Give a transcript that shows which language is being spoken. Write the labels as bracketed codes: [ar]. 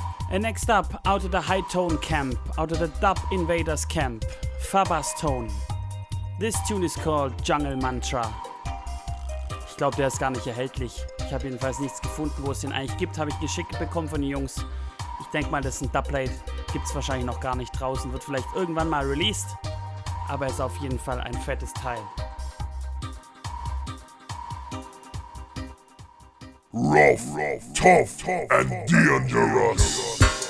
[en] And next up, out of the High Tone Camp, out of the Dub Invaders Camp, Fabas Tone. This tune is called Jungle Mantra. [de] Ich glaube, der ist gar nicht erhältlich. Ich habe jedenfalls nichts gefunden, wo es den eigentlich gibt. Habe ich geschickt bekommen von den Jungs. Ich denke mal, das ist ein Dubplate. Gibt's wahrscheinlich noch gar nicht draußen, wird vielleicht irgendwann mal released, aber ist auf jeden Fall ein fettes Teil. [en] Rough, tough, and dangerous.